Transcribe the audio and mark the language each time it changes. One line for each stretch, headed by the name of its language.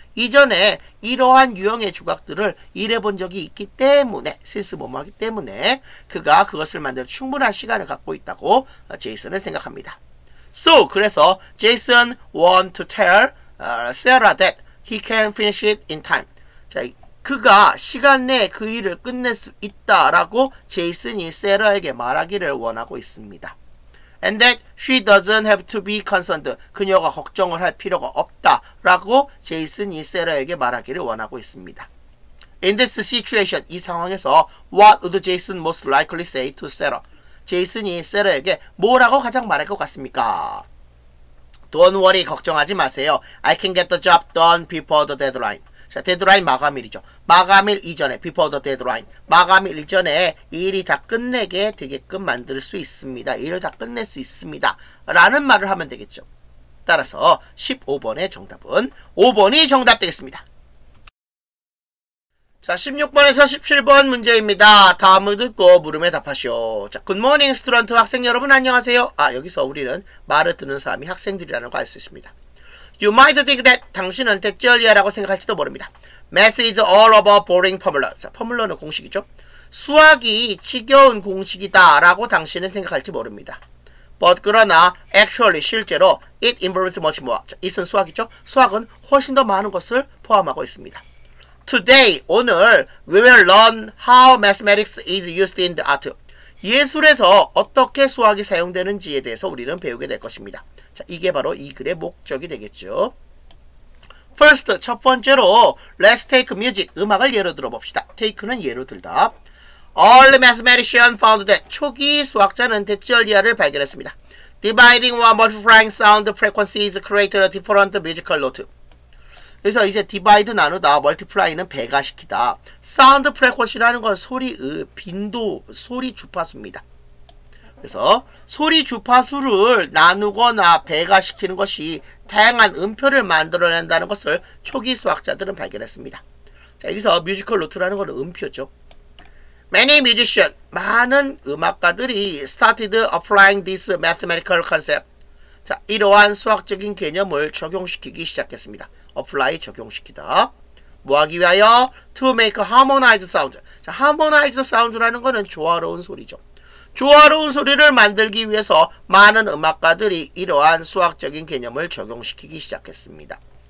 Korean: 이전에 이러한 유형의 조각들을 일해본 적이 있기 때문에, Since 뭐뭐하기 때문에 그가 그것을 만들 충분한 시간을 갖고 있다고 제이슨은 생각합니다.
English: So,
Korean: 그래서
English: Jason want to tell Sarah that he can finish it in time.
Korean: 자, 그가 시간 내에 그 일을 끝낼 수 있다라고 제이슨이 세라에게 말하기를 원하고 있습니다.
English: And that she doesn't have to be concerned.
Korean: 그녀가 걱정을 할 필요가 없다라고 제이슨이 세라에게 말하기를 원하고 있습니다.
English: In this situation,
Korean: 이 상황에서
English: what would Jason most likely say to Sarah?
Korean: 제이슨이 세라에게 뭐라고 가장 말할 것 같습니까?
English: Don't worry,
Korean: 걱정하지 마세요.
English: I can get the job done before the deadline.
Korean: 자, 데드라인 마감일이죠. 마감일 이전에,
English: before the deadline.
Korean: 마감일 이전에 일이 다 끝내게 되게끔 만들 수 있습니다. 일을 다 끝낼 수 있습니다. 라는 말을 하면 되겠죠. 따라서 15번의 정답은 5번이 정답 되겠습니다. 자, 16번에서 17번 문제입니다. 다음을 듣고 물음에 답하시오. 자, 굿모닝 스튜던트 학생 여러분 안녕하세요. 아, 여기서 우리는 말을 듣는 사람이 학생들이라는 거 알 수 있습니다.
English: You might think that
Korean: 당신은 대절이야라고 생각할지도 모릅니다.
English: Math is all about boring formula.
Korean: 자, 포뮬러는 공식이죠. 수학이 지겨운 공식이다라고 당신은 생각할지 모릅니다.
English: But
Korean: 그러나
English: actually
Korean: 실제로
English: it involves much more.
Korean: 자, it은 수학이죠. 수학은 훨씬 더 많은 것을 포함하고 있습니다.
English: Today,
Korean: 오늘
English: we will learn how mathematics is used in the art.
Korean: 예술에서 어떻게 수학이 사용되는지에 대해서 우리는 배우게 될 것입니다. 자, 이게 바로 이 글의 목적이 되겠죠.
English: First,
Korean: 첫 번째로
English: Let's take music,
Korean: 음악을 예로 들어봅시다. Take는 예로 들다.
English: All mathematicians found that
Korean: 초기 수학자는 대절이야를 발견했습니다.
English: Dividing one multiplying sound frequencies created a different musical note.
Korean: 그래서 이제 divide 나누다, multiply는 배가시키다. Sound frequency라는 건 소리의 빈도, 소리 주파수입니다. 그래서 소리 주파수를 나누거나 배가시키는 것이 다양한 음표를 만들어낸다는 것을 초기 수학자들은 발견했습니다. 자, 여기서 뮤지컬 노트라는 건 음표죠.
English: Many musicians,
Korean: 많은 음악가들이
English: started applying this mathematical concept.
Korean: 자, 이러한 수학적인 개념을 적용시키기 시작했습니다. apply 적용시키다. 뭐 하기 위하여?
English: To make a harmonized sound.
Korean: 자, harmonized sound라는 거는 조화로운 소리죠. 조화로운 소리를 만들기 위해서 많은 음악가들이 이러한 수학적인 개념을 적용시키기 시작했습니다.